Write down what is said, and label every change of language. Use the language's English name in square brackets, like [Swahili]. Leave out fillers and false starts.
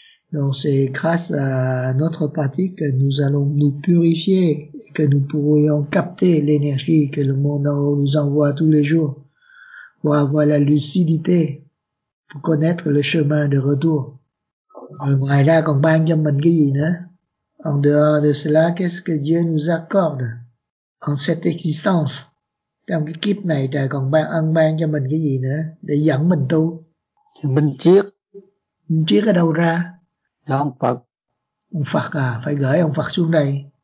[French] Donc c'est grâce à notre pratique que nous allons nous purifier et que nous pourrions capter l'énergie que le monde en haut nous envoie tous les jours pour avoir la lucidité pour connaître le chemin de retour. [Vietnamese] Rồi ngoài ra còn ban cho mình cái gì nữa? [French] En dehors de cela, qu'est-ce que Dieu nous accorde en cette existence? [Vietnamese] Trong cái kiếp này, trời còn ban cho mình cái gì nữa để dẫn mình tu? Minh triết. Minh triết ở đâu ra? Là ông Phật. Ông Phật à, phải gửi ông Phật xuống đây.